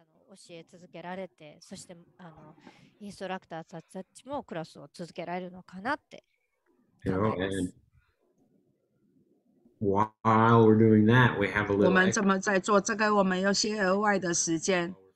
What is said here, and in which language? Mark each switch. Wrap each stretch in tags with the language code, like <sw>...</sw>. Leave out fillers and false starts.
<ja>教え続けられて、そしてインストラクターたちもクラスを続けられるのかなって考えます。</ja> <en>You know, and while we're doing that, we have a little.</en> <zh>我们这么在做这个，我们有些额外的时间。</zh>